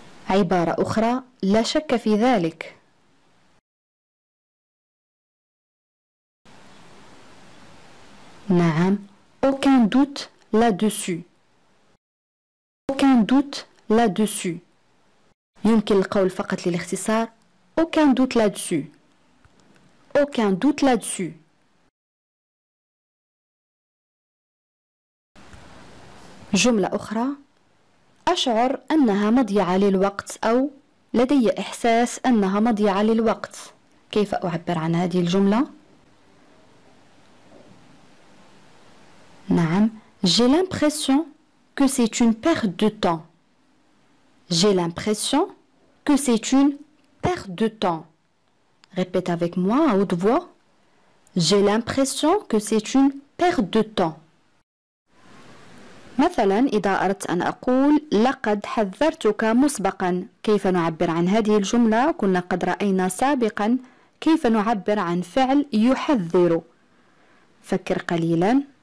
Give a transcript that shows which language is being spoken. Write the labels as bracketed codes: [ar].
[ar] عبارة أخرى، لا شك في ذلك. نعم، [fr] aucun doute là-dessus. aucun doute là-dessus. [ar] يمكن القول فقط للاختصار [fr] aucun doute là-dessus. aucun doute là-dessus. [ar] جملة أخرى، أشعر أنها مضيعة للوقت أو لدي إحساس أنها مضيعة للوقت. كيف أعبر عن هذه الجملة؟ نعم، [fr] j'ai l'impression que c'est une perte de temps. j'ai l'impression que c'est une perte de temps. Répète avec moi à haute voix. j'ai l'impression que c'est une perte de temps. [ar] مثلا إذا أردت أن أقول لقد حذرتك مسبقا، كيف نعبر عن هذه الجملة؟ كنا قد رأينا سابقا كيف نعبر عن فعل يحذر. فكر قليلا.